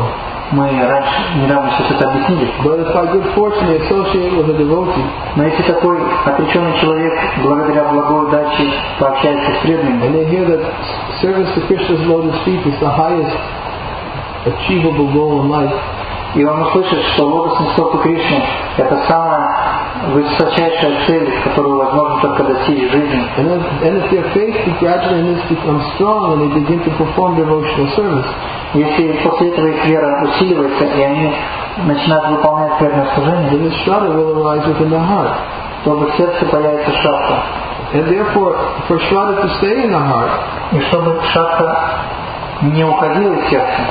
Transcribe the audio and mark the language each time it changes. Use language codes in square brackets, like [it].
[en] But if by good fortune they associate with a devotee, and they hear that service to Krishna's lotus feet is the highest achievable goal in life, [ru] и он услышит, что лотосные стопы Кришны — это самая высочайшая цель, которую возможно только достичь в жизни. [en] And if their faith gradually and becomes strong, and they begin to perform devotional service, [ru] если после этого их вера усиливается и они начинают выполнять верное служение, [en] then the Shraddha will arise within their heart. [ru] То в сердце появится Шрадха. [en] And therefore, for Shraddha to stay in the heart, [ru] и чтобы Шрадха не уходила из сердца,